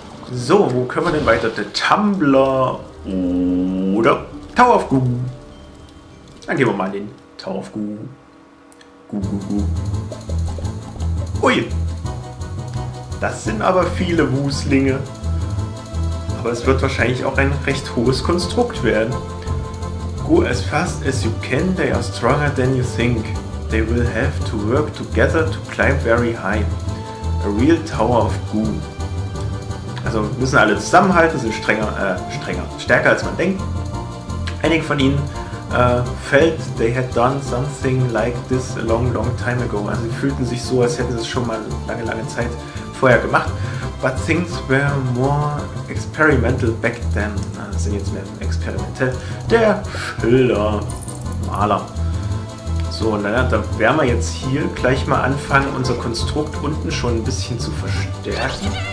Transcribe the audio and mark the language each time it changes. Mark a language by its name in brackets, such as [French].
[German] So, wo können wir denn weiter? Der Tumbler oder Tower of Goo? Dann gehen wir mal in den Tower of Goo. Ui! Das sind aber viele Wuslinge. Aber es wird wahrscheinlich auch ein recht hohes Konstrukt werden. [English] Go as fast as you can, they are stronger than you think. They will have to work together to climb very high. A real tower of goo. [German] Also müssen alle zusammenhalten, sind stärker als man denkt. Einige von ihnen [English] felt they had done something like this a long, long time ago. [German] Also sie fühlten sich so, als hätten sie es schon mal lange, lange Zeit vorher gemacht. [English] But things were more experimental back then. [German] Sind jetzt mehr experimentell. Der Schilder. Maler. So, und dann werden wir jetzt hier gleich mal anfangen, unser Konstrukt unten schon ein bisschen zu verstärken.